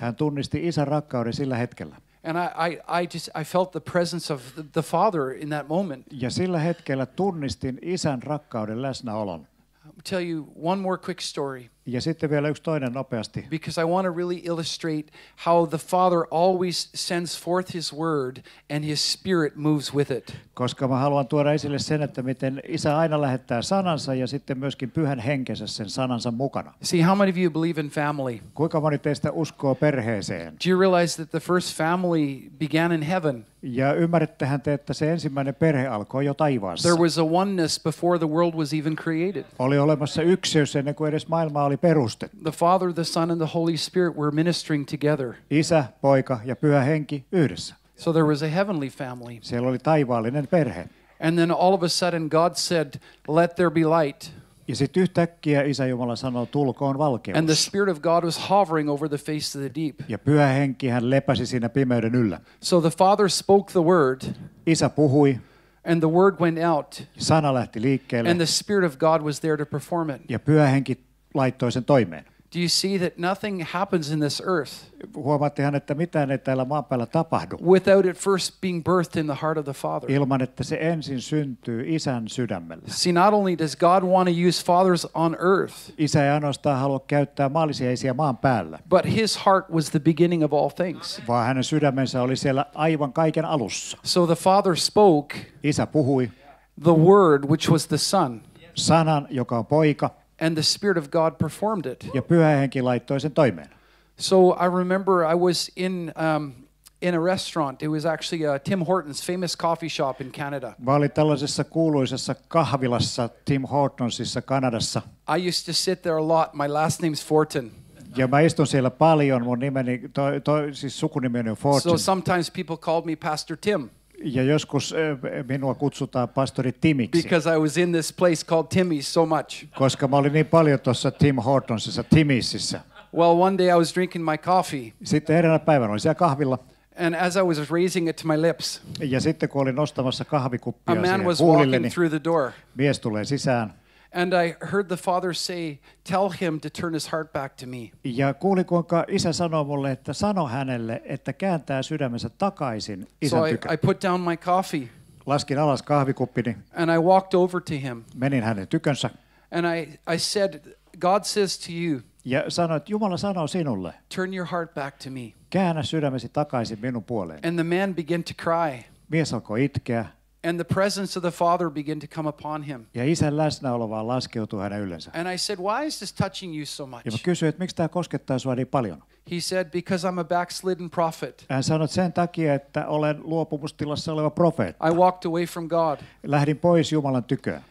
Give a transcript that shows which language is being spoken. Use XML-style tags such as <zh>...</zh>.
<fi>Hän tunnisti isän rakkauden sillä hetkellä.</fi> <en>And I felt the presence of the father in that moment.</en> <fi>Ja sillä hetkellä tunnistin isän rakkauden läsnäolon.</fi> <en>I'll tell you one more quick story.</en> <fi>Ja sitten vielä yksi toinen nopeasti.</fi> <en>Because I want to really illustrate how the Father always sends forth his word and his spirit moves with it.</en> <fi>Koska mä haluan tuoda esille sen, että miten isä aina lähettää sanansa ja sitten myöskin pyhän henkensä sen sanansa mukana.</fi> <en>See, how many of you believe in family?</en> <fi>Kuinka moni teistä uskoo perheeseen?</fi> <en>Do you realize that the first family began in heaven?</en> <fi>Ja ymmärrettehän te, että se ensimmäinen perhe alkoi jo taivaassa.</fi> <en>There was a oneness before the world was even created.</en> <fi>Oli olemassa yksiös ennen kuin edes maailma.</fi> <en>The Father, the Son, and the Holy Spirit were ministering together.</en> <fi>Isä, poika ja pyhä henki yhdessä.</fi> <en>So there was a heavenly family.</en> <fi>Siellä oli taivaallinen perhe.</fi> <en>And then all of a sudden God said, "Let there be light."</en> <fi>Ja sitten yhtäkkiä Isä Jumala sanoi, tulkoon valkeus.</fi> <en>And the Spirit of God was hovering over the face of the deep.</en> <fi>Ja pyhä henki hän lepäsi siinä pimeyden yllä.</fi> <en>So the Father spoke the word.</en> <fi>Isä puhui.</fi> <en>And the word went out.</en> <fi>Sana lähti liikkeelle.</fi> <en>And the Spirit of God was there to perform it.</en> <fi>Ja pyhä henki laittoi sen toimeen.</fi> <en>Do you see that nothing happens in this earth?</en> <fi>Huomaattehan, että mitään ei täällä maan päällä tapahdu.</fi> <en>Without it first being birthed in the heart of the Father.</en> <fi>Ilman että se ensin syntyy isän sydämellä.</fi> <en>See, not only does God want to use fathers on earth.</en> <fi>Isä ei ainoastaan halua käyttää maallisia isiä maan päällä.</fi> <en>But his heart was the beginning of all things.</en> <fi>Vaan hänen sydämensä oli siellä aivan kaiken alussa.</fi> <en>So the Father spoke.</en> <fi>Isä puhui.</fi> <en>The word which was the Son.</en> <fi>Sanan, joka on poika.</fi> <en>And the Spirit of God performed it.</en> <fi>Ja pyhä henki laittoi sen toimeen.</fi> <en>So I remember I was in a restaurant. It was actually a Tim Hortons, famous coffee shop in Canada.</en> <fi>Mä olin tällaisessa kuuluisessa kahvilassa Tim Hortonsissa Kanadassa.</fi> <en>I used to sit there a lot. My last name's Fortin.</en> <fi>Ja mä istun siellä paljon. Mun nimeni, siis sukunimeni on Fortin.</fi> <en>So sometimes people called me Pastor Tim.</en> <fi>Ja joskus minua kutsutaan pastori Timiksi.</fi> <en>Because I was in this place called Timmy's so much.</en> <fi>Koska mä olin niin paljon tuossa Tim Hortonsissa, Timmy'sissä.</fi> <en>Well, one day I was drinking my coffee.</en> <fi>Sitten eräänä päivänä olin siellä kahvilla.</fi> <en>And as I was raising it to my lips.</en> <fi>Ja sitten kun olin nostamassa kahvikuppia siihen huulilleni.</fi> <en>A man was walking through the door.</en> <fi>Mies tulee sisään.</fi> <en>And I heard the father say, "Tell him to turn his heart back to me."</en> <fi>Ja kuulin, kuinka isä sanoi mulle, että sano hänelle, että kääntää sydämensä takaisin isän tykö.</fi> <en>So I put down my coffee.</en> <fi>Laskin alas kahvikuppini.</fi> <en>And I walked over to him.</en> <fi>Menin hänen tykönsä.</fi> <en>And I said, "God says to you."</en> <fi>Ja sanoin, että Jumala sanoo sinulle.</fi> <en>Turn your heart back to me.</en> <fi>Käännä sydämesi takaisin minun puoleeni.</fi> <en>And the man began to cry.</en> <fi>mies alkoi itkeä.</fi> <en>And the presence of the Father began to come upon him.</en> <fi>Ja isän läsnäolo vaan laskeutui hänen yllensä.</fi> <en>And I said, why is this touching you so much?</en> <fi>Ja mä kysyin, että miksi tämä koskettaa sua niin paljon?</fi> <en>He said, because I'm a backslidden prophet.</en> <fi>Hän sanoi, että sen takia, että olen luopumustilassa oleva profeetta.</fi> <en>I walked away from God.</en> <fi>Lähdin pois Jumalan tyköä.</fi>